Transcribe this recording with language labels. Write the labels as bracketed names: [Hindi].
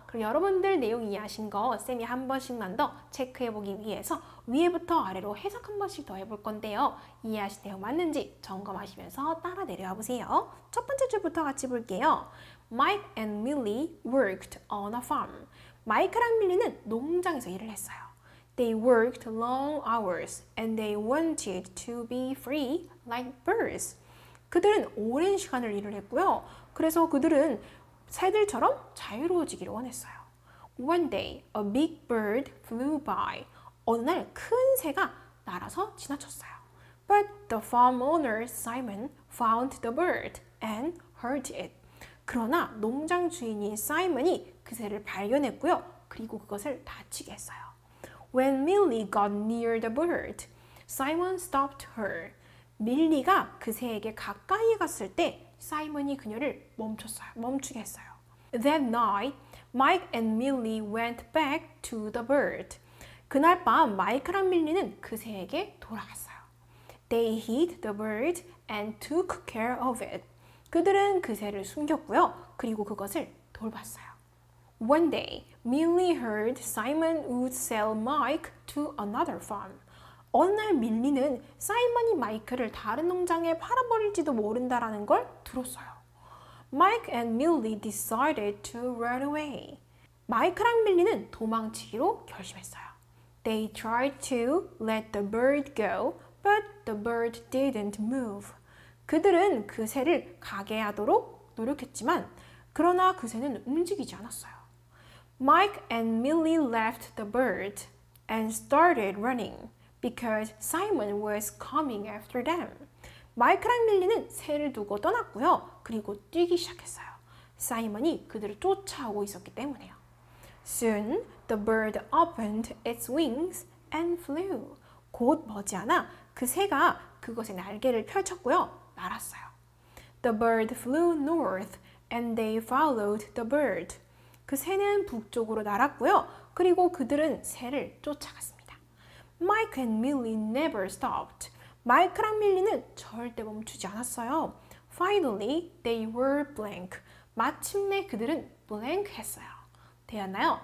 [Korean] 그럼 여러분들 내용 이해하신 거 쌤이 한 번씩만 더 체크해보기 위해서 위에부터 아래로 해석 한 번씩 더 해볼 건데요. 이해하신 내용 맞는지 점검하시면서 따라 내려와 보세요. 첫 번째 줄부터 같이 볼게요. [English] Mike and Millie worked on a farm. [Korean] 마이크랑 밀리는 농장에서 일을 했어요. [English] They worked long hours and they wanted to be free like birds. [Korean] 그들은 오랜 시간을 일을 했고요. 그래서 그들은 새들처럼 자유로워지기를 원했어요. [English] One day, a big bird flew by. [Korean] 어느 날 큰 새가 날아서 지나쳤어요. [English] But the farm owner, Simon, found the bird and hurt it. [Korean] 그러나 농장 주인인 사이먼이 그 새를 발견했고요. 그리고 그것을 다치게 했어요. [English] When Millie got near the bird, Simon stopped her. [Korean] 밀리가 그 새에게 가까이 갔을 때 사이먼이 그녀를 멈추게 했어요. [English] That night, Mike and Millie went back to the bird. [Korean] 그날 밤 마이크랑 밀리는 그 새에게 돌아갔어요. [English] They hid the bird and took care of it. [Korean] 그들은 그 새를 숨겼고요. 그리고 그것을 돌봤어요. [English] One day, Millie heard Simon would sell Mike to another farm. [Korean] 어느 날 밀리는 사이먼이 마이크를 다른 농장에 팔아버릴지도 모른다라는 걸 들었어요. [English] Mike and Millie decided to run away. [Korean] 마이크랑 밀리는 도망치기로 결심했어요. [English] They tried to let the bird go, but the bird didn't move. [Korean] 그들은 그 새를 가게 하도록 노력했지만, 그러나 그 새는 움직이지 않았어요. [English] Mike and Millie left the bird and started running. Because Simon was coming after them. [Korean] 마이크랑 밀리는 새를 두고 떠났고요. 그리고 뛰기 시작했어요. 사이먼이 그들을 쫓아오고 있었기 때문에요. [English] Soon, the bird opened its wings and flew. [Korean] 곧 머지않아 그 새가 그것의 날개를 펼쳤고요. 날았어요. [English] The bird flew north and they followed the bird. [Korean] 그 새는 북쪽으로 날았고요. 그리고 그들은 새를 쫓아갔습니다. [English] Mike and Millie never stopped. [Korean] 마이크랑 밀리는 절대 멈추지 않았어요. [English] Finally, they were blank. [Korean] 마침내 그들은 blank 했어요. 되었나요?